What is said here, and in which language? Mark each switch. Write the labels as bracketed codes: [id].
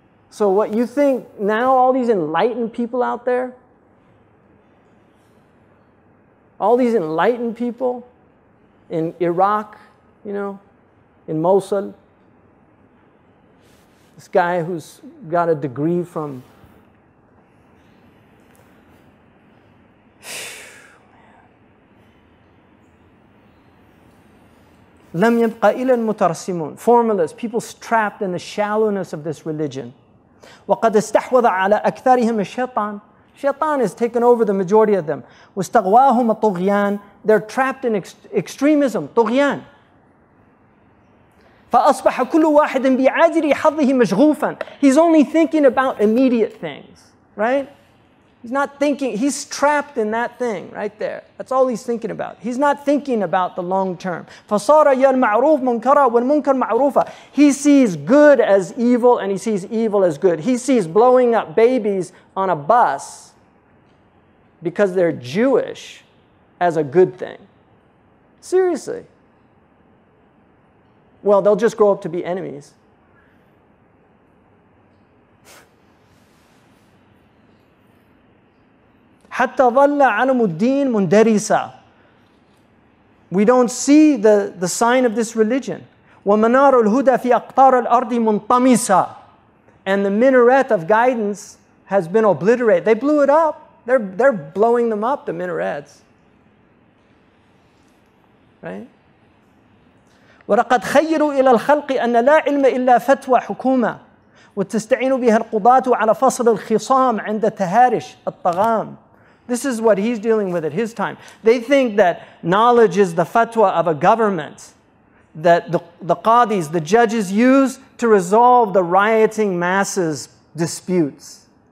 [en] So what you think, now all these enlightened people out there, all these enlightened people in Iraq, you know, in Mosul, this guy who's got a degree from [ar] لم يبقى إلا المترسمون, [en] formalists, people trapped in the shallowness of this religion. [ar] وقد استحوذ على أكثرهم الشيطان. [en] Shaitan has taken over the majority of them. [ar] واستغواهم الطغيان. [en] They're trapped in extremism, طغيان. [ar] فأصبح كل واحد بعاجل حظه مشغوفا. [en] He's only thinking about immediate things, right? He's not thinking, he's trapped in that thing right there. That's all he's thinking about. He's not thinking about the long term. [ar] فَصَارَ يَالْمَعْرُوفَ مُنْكَرَ وَالْمُنْكَرَ مَعْرُوفَ. [en] He sees good as evil and he sees evil as good. He sees blowing up babies on a bus because they're Jewish as a good thing. Seriously. Well, they'll just grow up to be enemies. [ar] حتى ظل علم الدين مندرسا. [en] We don't see the sign of this religion. [ar] ومنار الهدى في أقطار الأرض منطمسا. [en] And the minaret of guidance has been obliterated. They blew it up. They're blowing them up, the minarets. Right? [ar] ولقد خيروا إلى الخلق أن لا علم إلا فتوى حكومة وتستعين بها القضاة على فصل الخصام عند تهارش الطغام. [en] This is what he's dealing with at his time. They think that knowledge is the fatwa of a government that the qadis, the judges, use to resolve the rioting masses' disputes.